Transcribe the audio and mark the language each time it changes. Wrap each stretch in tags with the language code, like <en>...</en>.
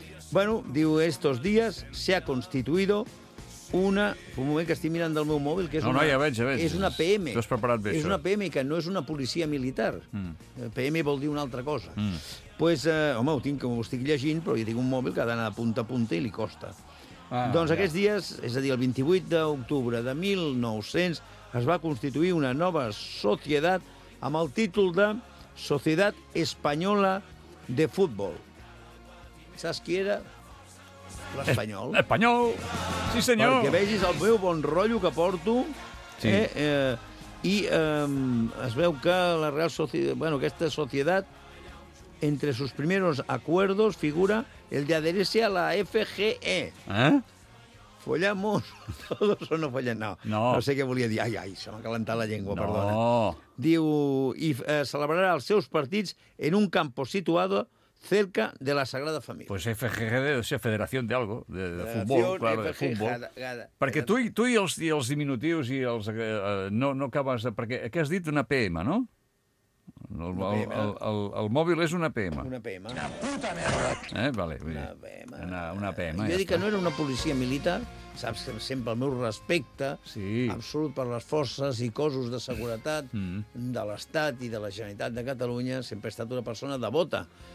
<es>Bueno, digo, estos días se ha constituido una...</es> <ca>Un moment que estic mirant el meu mòbil, que és No, ja veig. És una PM. T'ho has preparat bé, és això. És una PM, que no és una policia militar. Mm. PM vol dir una altra cosa. Pues, home, ho estic llegint, però jo tinc un mòbil que ha d'anar de punta a punta i li costa. Aquests dies, és a dir, el 28 d'octubre de 1900, es va constituir una nova societat amb el títol de Societat Espanyola de Futbol. Saps qui era? L'Espanyol. Espanyol! Sí, senyor! Perquè vegis el meu bon rotllo que porto. Sí. Es veu que la Real Sociedad...</ca> <es>Bueno,</es> <ca>aquesta societat,</ca> <es>entre sus primeros acuerdos, figura el de adherirse a la FGE. ¿Follamos todos o no follen?</es> <ca>No. No sé què volia dir. Ai, se m'ha calentat la llengua, perdona. Diu... I celebrarà els seus partits</ca> <es>en un campo situado cerca de la Sagrada Família. Pues FGD, o sea, Federación de Algo, de futbol, claro, de futbol.</es> <ca>Perquè tu i els diminutius i els... no acabes de... Perquè què has dit? Una PM, no? El mòbil és una PM. Una PM. Una puta merda! Vale, una PM. Jo dic que no era una policia militar, saps que sempre el meu respecte absolut per les forces i cossos de seguretat de l'Estat i de la Generalitat de Catalunya, sempre he estat una persona devota.</ca>